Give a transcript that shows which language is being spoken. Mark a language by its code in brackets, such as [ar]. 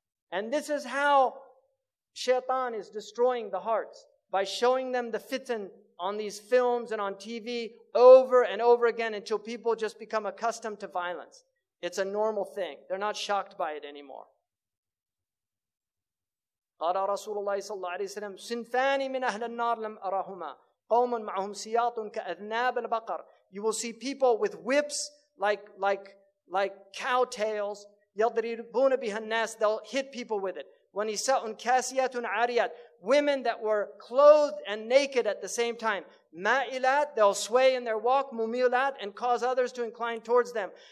[en] And this is how shaitan is destroying the hearts, by showing them the fitan on these films and on TV over and over again until people just become accustomed to violence. It's a normal thing. They're not shocked by it anymore. [ar] قال رسول الله صلى الله عليه وسلم سنفان من أهل النار لم أراهما قوم معهم سياط كأذناب البقر. [en] You will see people with whips like cow tails. [ar] يضربون بها الناس. [en] They'll hit people with it. [ar] ونساء كاسيات عاريات. [en] Women that were clothed and naked at the same time. Ma'ilat, they'll sway in their walk. Mumilat, and cause others to incline towards them.